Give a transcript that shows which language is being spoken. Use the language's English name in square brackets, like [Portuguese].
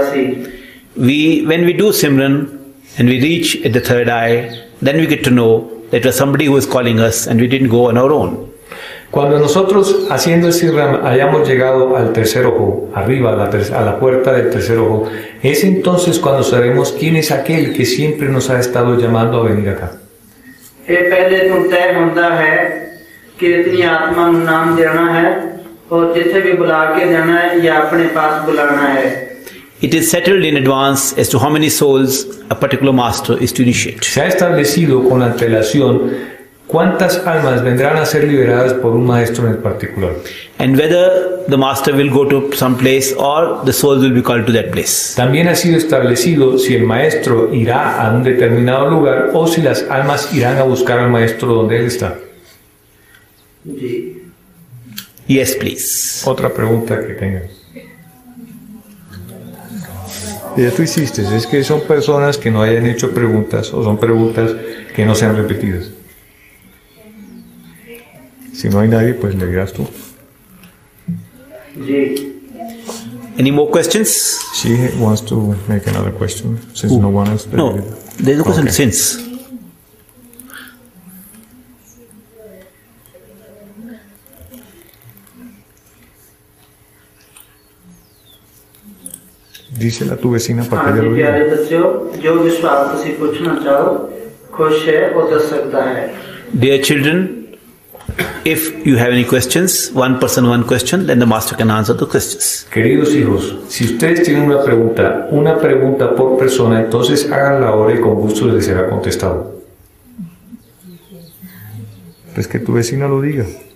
[English] When we do simran and we reach at the third eye, then we get to know that it was somebody who is calling us and we didn't go on our own. [Spanish] Cuando nosotros haciendo el Simran hayamos llegado al tercer ojo, arriba, a la puerta del tercer ojo, es entonces cuando sabemos quién es aquel que siempre nos ha estado llamando a venir acá. [English] It is settled in advance as to how many souls a particular master is to initiate. [Spanish] Se ha establecido con antelación ¿cuántas almas vendrán a ser liberadas por un maestro en el particular? [English] And whether the master will go to some place or the soul will be called to that place. [Spanish] También ha sido establecido si el maestro irá a un determinado lugar o si las almas irán a buscar al maestro donde él está. [English] Yes, please. [Spanish] Otra pregunta que tengas. Ya tú hiciste, es que son personas que no hayan hecho preguntas o son preguntas que no sean repetidas. Si no hay nadie, pues le dirás tú. [English] Any more questions? She wants to make another question since no one has. No, there's a question since. [Spanish] Dísela a tu vecina para que ella lo [English] diga. Dear children, if you have any questions, one person one question, then the master can answer the questions. [Spanish] Queridos hijos, si ustedes tienen una pregunta por persona, entonces háganla ahora y con gusto les será contestado. Pues que tu vecina lo diga.